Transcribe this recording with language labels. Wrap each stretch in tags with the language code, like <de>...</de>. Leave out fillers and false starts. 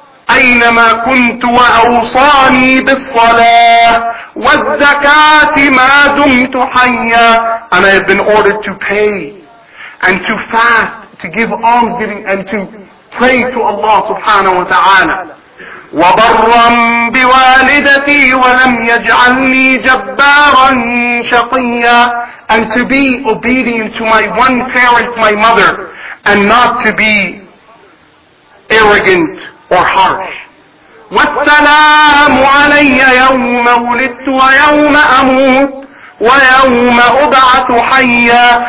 <ar>أينما كنت وأوصاني بالصلاة والزكاة ما دمت حيا.</ar> <en>And I have been ordered to pay and to fast, to give almsgiving and to pray to Allah subhanahu wa ta'ala.</en> <ar>وبرا بوالدتي ولم يجعلني جبارا شقيا.</ar> <en>And to be obedient to my one parent, my mother, and not to be arrogant or harsh.</en> <ar>وَالسَّلَامُ عَلَيَّ يَوْمَ وُلِدْتُ وَيَوْمَ أَمُوتُ وَيَوْمَ أُبْعَثُ حَيًّا.</ar>